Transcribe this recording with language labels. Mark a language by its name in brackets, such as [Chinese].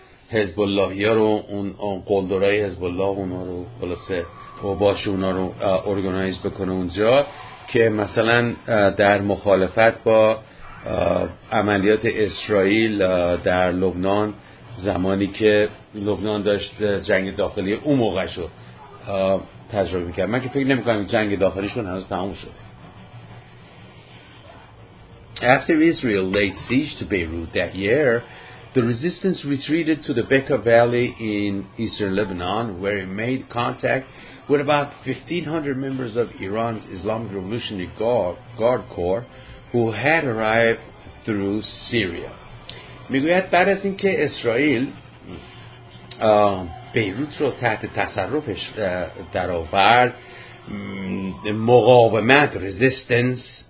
[Persian] حزب الله یا رو اون قلدرهای حزب الله اونا رو خلاصه و باش اونا رو ارگانایز بکنه اونجا، که مثلا در مخالفت با عملیات اسرائیل در لبنان، زمانی که لبنان داشت جنگ داخلی اون موقع شو تجربه میکرد. من که فکر نمیکنم جنگ داخلیشون هنوز تموم شده. [English] After Israel laid siege to Beirut that year, the resistance retreated to the Bekaa Valley in eastern Lebanon, where it made contact with about 1,500 members of Iran's Islamic Revolutionary Guard Corps who had arrived through Syria. [Persian] میگوید بعد از اینکه اسرائیل بیروت رو تحت تصرفش در آورد، مقاومت resistance،